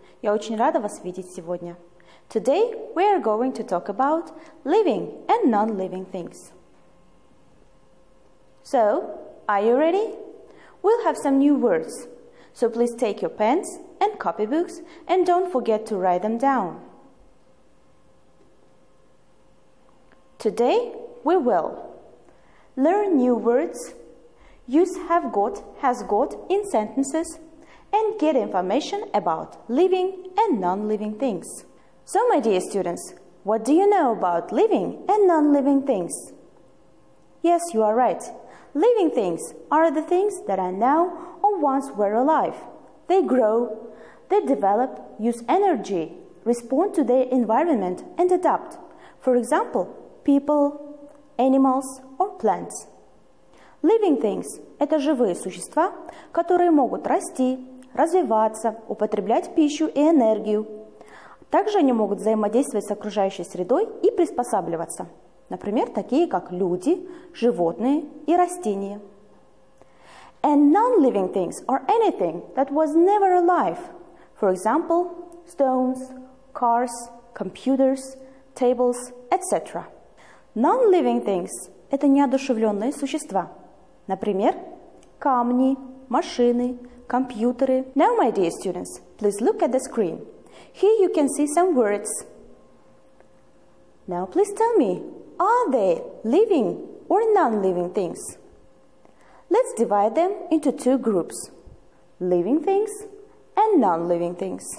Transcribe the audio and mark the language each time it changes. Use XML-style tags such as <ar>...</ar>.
<ru>Я очень рада вас видеть сегодня.</ru> <en>Today, we are going to talk about living and non-living things. So, are you ready? We'll have some new words. So please take your pens and copybooks and don't forget to write them down. Today, we will learn new words, use have got, has got in sentences, and get information about living and non-living things. So, my dear students, what do you know about living and non-living things? Yes, you are right. Living things are the things that are now or once were alive. They grow, they develop, use energy, respond to their environment, and adapt. For example, people, animals, or plants. Living things</en> <ru>– это живые существа, которые могут расти, развиваться, употреблять пищу и энергию. Также они могут взаимодействовать с окружающей средой и приспосабливаться. Например, такие как люди, животные и растения.</ru> <en>And non-living things are anything that was never alive. For example, stones, cars, computers, tables, etc. Non-living things</en> <ru>– это неодушевленные существа. Например, камни, машины, компьютеры.</ru> <en>Now, my dear students, please look at the screen. Here you can see some words. Now, please tell me, are they living or non-living things? Let's divide them into two groups, living things and non-living things.</en>